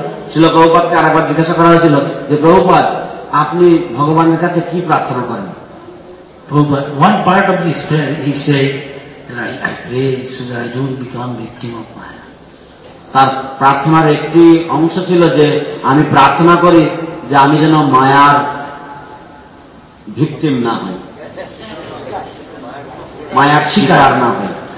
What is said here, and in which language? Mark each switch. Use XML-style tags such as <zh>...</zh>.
<bn>শ্রীল প্রভুপাদকে আরেকবার জিজ্ঞাসা করা হয়েছিল যে প্রভুপাদ আপনি ভগবানের কাছে কি প্রার্থনা করেন।</bn> <en>One part of this prayer, he said, I pray so that I don't become victim of Maya.</en> <bn>তার প্রার্থনার একটি অংশ ছিল যে আমি প্রার্থনা করি যে আমি যেন মায়ার victim না হই, মায়ার শিকার না হই।</bn>